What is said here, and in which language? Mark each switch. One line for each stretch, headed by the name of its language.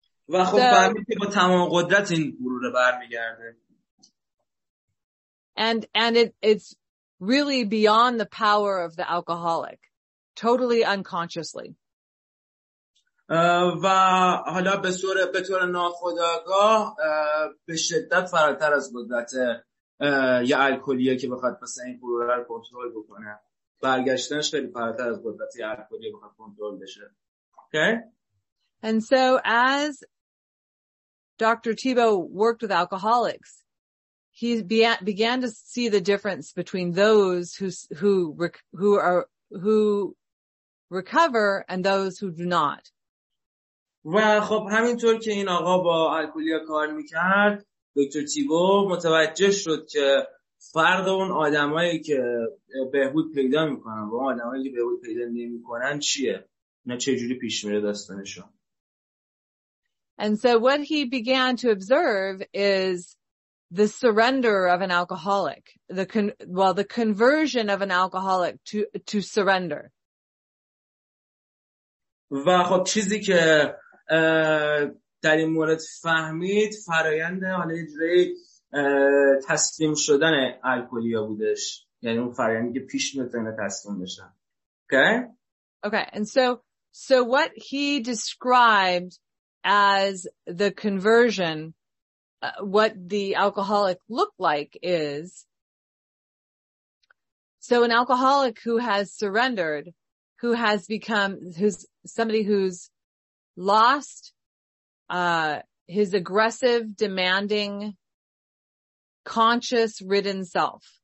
Persian: و خب برمی که با تمام قدرت این غرور برمیگرده.
English: And it's really beyond the power of the alcoholic, totally unconsciously.
Persian: و حالا به طور ناخودآگاه به شدت فراتر از قدرت یه الکلیه که بخواد پس این غرور رو کنترل بکنه. برگشتنش خیلی فراتر از قدرت یه الکلیه بخواد کنترل بشه.
English: Okay? And so as Dr. Thibault worked with alcoholics, he began to see the difference between those who recover and those who do not.
Persian: و خب همینطور که این آقا با الکلی کار میکرد، دکتر تیبو متوجه شد که فرق اون آدمایی که بهبود پیدا میکنن و آدمایی که بهبود پیدا نمیکنن چیه؟ نه چه جوری پیش میره داستانشون؟
English: And so what he began to observe is the surrender of an alcoholic, the conversion of an alcoholic to surrender.
Persian: و خب چیزی که در این مورد فهمید فرایند حالا اجرای تسلیم شدن الکلیا بودش، یعنی اون فرایندی که پیش میاد اینا تسلیم بشن.
English: Okay, and so what he described as the conversion, what the alcoholic looked like is, so an alcoholic who has surrendered, who has become, who's somebody who's lost his aggressive, demanding, conscience-ridden self.